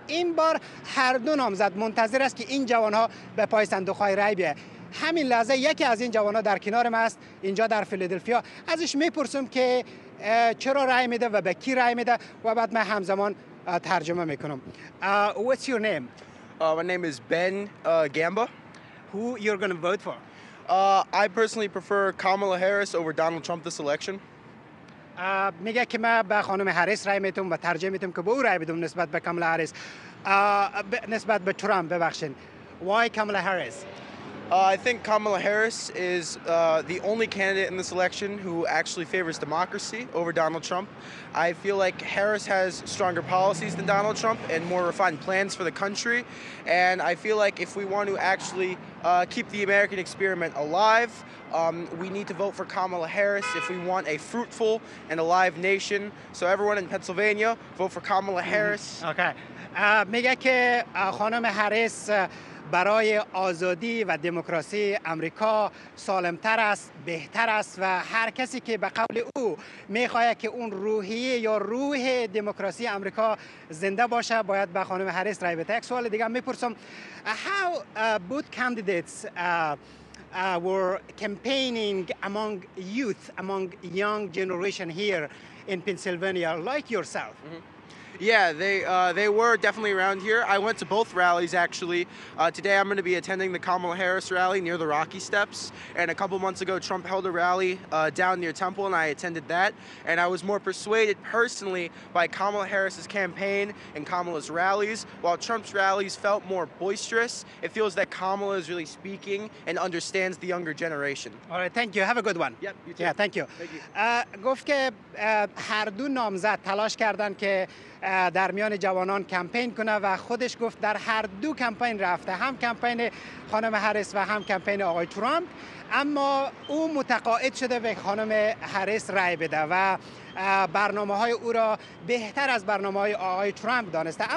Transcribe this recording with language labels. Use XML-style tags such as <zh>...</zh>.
<fa>این بار هر دو نامزد منتظر است که این جوانها به پای صندوق های رای بیاید. همین لحظه یکی از این جوانا در کنار ما است اینجا در فیلادلفیا، ازش میپرسم که چرا رای میده و به کی رای میده و بعد من همزمان ترجمه میکنم.</fa> <en>What's your name? My name is Ben Gamba. Who you're going to vote for? I personally prefer Kamala Harris over Donald Trump this election.</en> <fa>میگه که من به خانم هریس رای میدم و ترجمه میدم که به او رای بدم نسبت به کامالا هریس، نسبت به ترامپ ببخشید.</fa> <en>Why Kamala Harris? I think Kamala Harris is the only candidate in this election who actually favors democracy over Donald Trump. I feel like Harris has stronger policies than Donald Trump and more refined plans for the country. And I feel like if we want to actually keep the American experiment alive, we need to vote for Kamala Harris if we want a fruitful and alive nation. So everyone in Pennsylvania, vote for Kamala Harris. Okay.</en> <fa>میگه که خانم هریس برای آزادی و دموکراسی آمریکا سالمتر است، بهتر است و هر کسی که به قول او میخواهد که اون روحیه یا روح دموکراسی آمریکا زنده باشه، باید به خانم هریس رای بده. یک سوال دیگه میپرسم.</fa> <en>How both candidates were campaigning among youth, among young generation here in Pennsylvania, like yourself? Yeah, they were definitely around here. I went to both rallies, actually. Today I'm going to be attending the Kamala Harris rally near the Rocky Steps. And a couple months ago, Trump held a rally down near Temple, and I attended that. And I was more persuaded personally by Kamala Harris's campaign and Kamala's rallies. While Trump's rallies felt more boisterous, it feels that Kamala is really speaking and understands the younger generation. All right, thank you. Have a good one. Yep, you too. Yeah, thank you.</en> <fa>گفت که هر دو نامزد تلاش کردند که در میان جوانان کمپین کنه و خودش گفت در هر دو کمپین رفته، هم کمپین خانم هریس و هم کمپین آقای ترامپ، اما او متقاعد شده به خانم هریس رای بده و برنامه های او را بهتر از برنامه های آقای ترامپ دانسته.</fa>